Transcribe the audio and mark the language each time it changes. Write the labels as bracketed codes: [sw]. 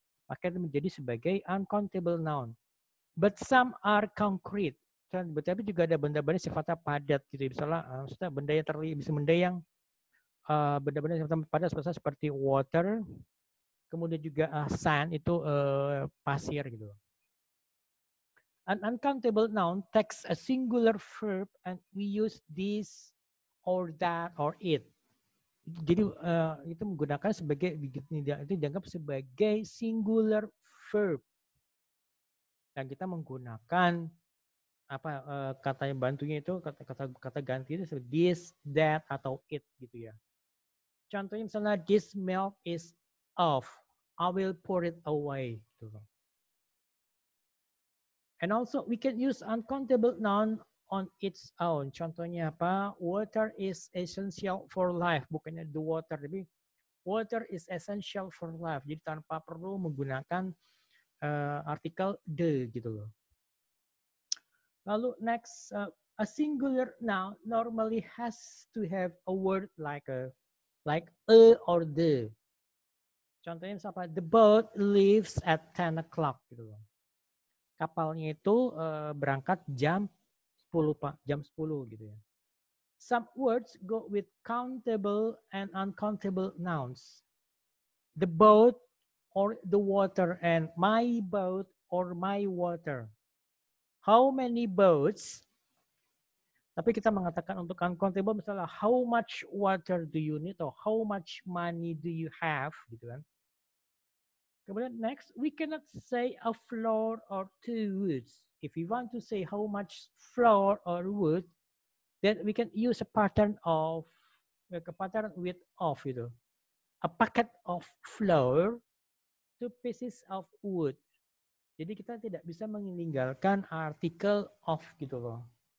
[id] Akhirnya menjadi sebagai uncountable noun. [en] But some are concrete. [id] Tapi juga ada benda-benda sifatnya padat gitu. Misalnya benda yang terlihat, bisa benda yang benda-benda sifatnya padat seperti water, kemudian juga sand, itu pasir gitu. [en] An uncountable noun takes a singular verb and we use this or that or it. [id] Jadi itu menggunakan sebagai itu dianggap sebagai singular verb. Dan kita menggunakan kata yang bantunya itu kata ganti itu seperti this, that atau it gitu ya. Contohnya misalnya [en] this milk is off. I will pour it away. Gitu. And also we can use uncountable noun on its own. [id] Contohnya apa? [en] Water is essential for life. [id] Bukannya [en] the water, [id] tapi [en] water is essential for life. [id] Jadi tanpa perlu menggunakan artikel the gitu loh. [en] Lalu next, a singular noun normally has to have a word like a or the. [id] Contohnya apa? [en] The boat leaves at 10 o'clock [id] gitu loh. Kapalnya itu berangkat jam 10 gitu ya. [en] Some words go with countable and uncountable nouns. The boat or the water and my boat or my water. How many boats? [id] Tapi kita mengatakan untuk uncountable misalnya [en] how much water do you need or how much money do you have [id] gitu kan. [en] Kemudian next, we cannot say a floor or two woods. If we want to say how much floor or wood, then we can use a pattern of, like a pattern with of, you know. A packet of floor, 2 pieces of wood. [id] Jadi kita tidak bisa meninggalkan artikel of gitu loh.